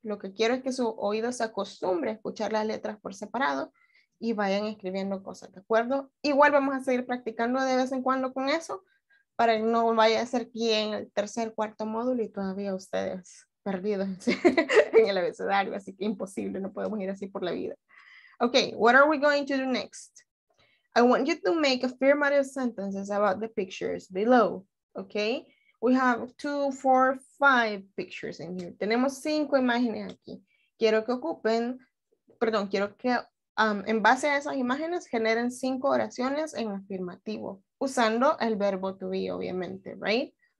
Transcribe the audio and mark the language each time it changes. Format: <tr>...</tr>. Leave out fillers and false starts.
<es>Lo que quiero es que su oído se acostumbre a escuchar las letras por separado, y vayan escribiendo cosas, ¿de acuerdo? Igual vamos a seguir practicando de vez en cuando con eso, para que no vaya a ser quien el tercer, cuarto módulo, y todavía ustedes perdidos en el abecedario, así que imposible, no podemos ir así por la vida.</es> <en>Okay, what are we going to do next? I want you to make affirmative sentences about the pictures below, okay? We have 2, 4, 5 pictures in here.</en> <es>Tenemos 5 imágenes aquí. Quiero que ocupen, perdón, quiero que en base a esas imágenes generen 5 oraciones en afirmativo, usando el verbo to be, obviamente, right?</es>